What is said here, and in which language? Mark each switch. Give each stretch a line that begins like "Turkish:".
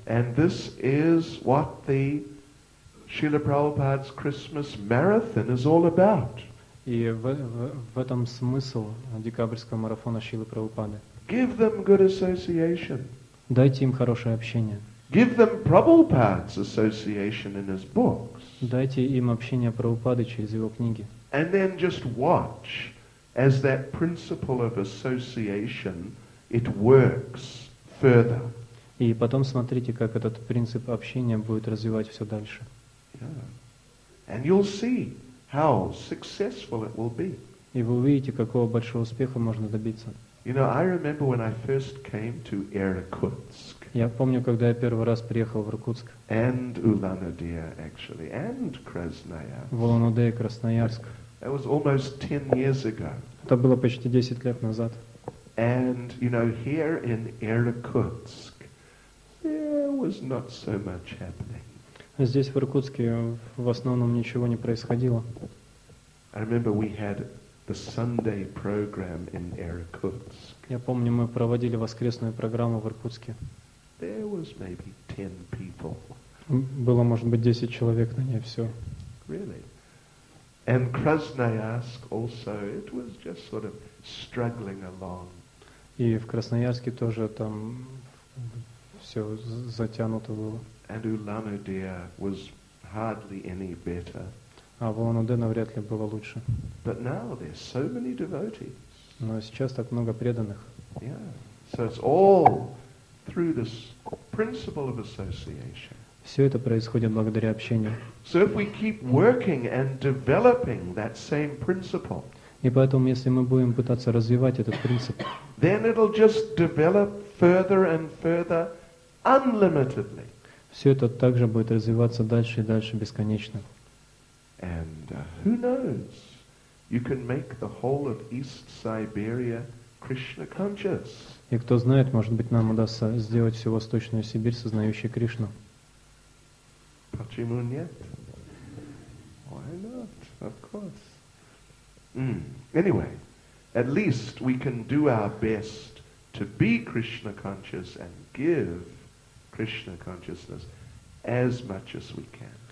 English: And this is what the Srila Prabhupada's Christmas marathon is all about.
Russian: И в этом смысл декабрьского марафона Шрилы Прабхупады.
English: Give them good association.
Russian: Дайте им хорошее общение.
English: Give them Prabhupada's association in his books.
Russian: Дайте им общение Прабхупады через его книги.
English: And then just watch. As that principle of association, it works further.
Russian: И потом смотрите, как этот принцип общения будет развивать все дальше.
English: And you'll see how successful it will be.
Russian: И вы увидите, какого большого успеха можно добиться.
English: You know, I remember when I first came to Irkutsk.
Russian: Я помню, когда я первый раз приехал в Иркутск.
English: And Ulan-Ude, actually, and Krasnoyarsk.
Russian: В Улан-Удэ и Красноярск.
English: It was almost 10 years ago.
Russian: Это было почти 10 лет назад.
English: And you know, here in Irkutsk, there was not so much happening.
Russian: Здесь в Иркутске в основном ничего не происходило.
English: I remember we had the Sunday program in Irkutsk.
Russian: Я помню, мы проводили воскресную программу в Иркутске.
English: There was maybe 10 people.
Russian: Было, может быть, 10 человек на ней, все.
English: Really? And Krasnoyarsk also, it was just sort of struggling along.
Russian: И в Красноярске тоже там все затянуто было.
English: And Ulan-Ude was hardly any better.
Russian: А в Улан-Удэ навряд ли было лучше.
English: But now there's so many devotees.
Russian: Но сейчас так много преданных.
English: Yeah. So it's all through this principle of association.
Russian: Все это происходит благодаря общению.
English: So if we keep working and developing that same principle,
Russian: и поэтому, если мы будем пытаться развивать этот принцип,
English: then it'll just develop further and further unlimitedly.
Russian: Все это также будет развиваться дальше и дальше бесконечно.
English: And who knows? You can make the whole of East Siberia Krishna conscious.
Russian: И кто знает, может быть, нам удастся сделать всю Восточную Сибирь сознающей Кришну. Почему нет?
English: Why not? Of course. Anyway, at least we can do our best to be Krishna conscious and give Krishna consciousness as much as we can.